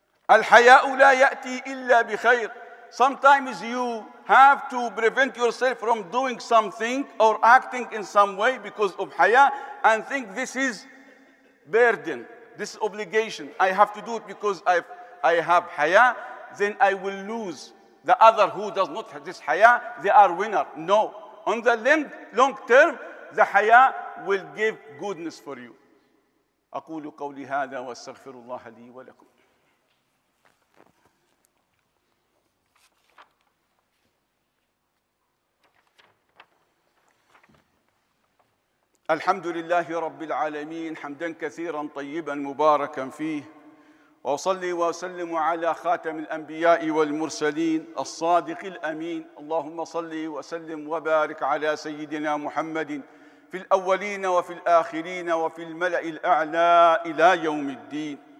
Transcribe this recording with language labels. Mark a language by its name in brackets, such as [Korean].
[Arabic] الحياء لا يأتي إلا بخير. [English] Sometimes you have to prevent yourself from doing something or acting in some way because of haya and think this is burden, this obligation. I have to do it because I have haya, then I will lose. The other who does not have this haya, they are winner. No. On the long term, the haya will give goodness for you. [Arabic] أقول قولي هذا واستغفر الله لي ولكم. الحمد لله رب العالمين حمدا كثيرا طيبا مباركا فيه وصلي وسلم على خاتم الأنبياء والمرسلين الصادق الأمين اللهم صلي وسلم وبارك على سيدنا محمد في الأولين وفي الآخرين وفي الملأ الأعلى إلى يوم الدين.